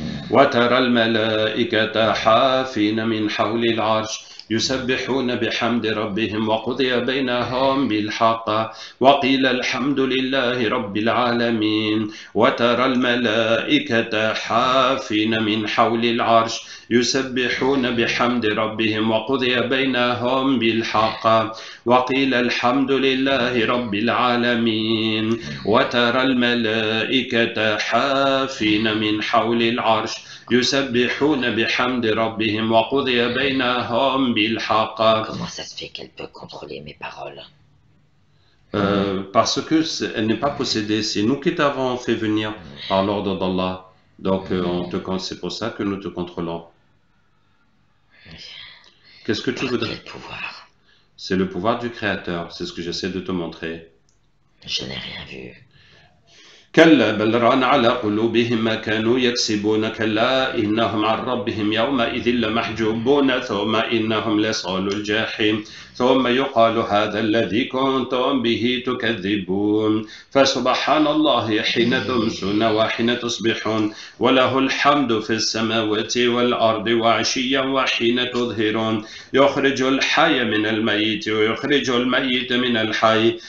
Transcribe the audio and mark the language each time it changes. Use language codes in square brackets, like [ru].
[ar] وترى الملائكة حافين من حول العرش يسبحون بحمد ربهم وقضي بينهم بالحق وقيل الحمد لله رب العالمين وترى الملائكة حافين من حول العرش يسبحون بحمد ربهم وقضي بينهم بالحق وقيل الحمد لله رب العالمين وترى الملائكة حافين من حول العرش يسبحون بحمد ربهم وقضي بينهم بالحق. [fr] Comment ça se fait qu'elle peut contrôler mes paroles? Parce que elle n'est pas possédée. C'est nous qui t'avons fait venir par l'ordre d'Allah. Donc on te compte. C'est pour ça que nous te contrôlons. Qu'est-ce que tu voudrais? Quel pouvoir? C'est le pouvoir du Créateur. C'est ce que j'essaie de te montrer. Je n'ai rien vu. [ar] كلا بل ران على قلوبهم ما كانوا يكسبون كلا إنهم عن ربهم يومئذ لمحجوبون ثم إنهم لصالو الجحيم ثم يقال هذا الذي كنتم به تكذبون فسبحان الله حين تمسون وحين تصبحون وله الحمد في السماوات والأرض وعشيا وحين تظهرون يخرج الحي من الميت ويخرج الميت من الحي